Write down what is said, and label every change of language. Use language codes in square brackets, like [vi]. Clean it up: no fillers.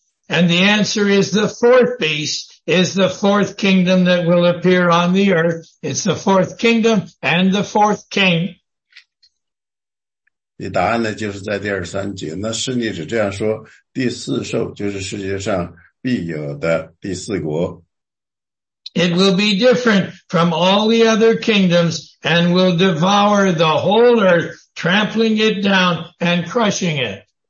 [en] And the answer is the fourth beast is the fourth kingdom that will appear on the earth. It's the fourth kingdom and the fourth king. [zh] 答案呢，就是在第二十三节。那示例者这样说，第四兽就是世界上必有的第四国。 [en] It will be different from all the other kingdoms and will devour the whole earth, trampling it down and crushing it.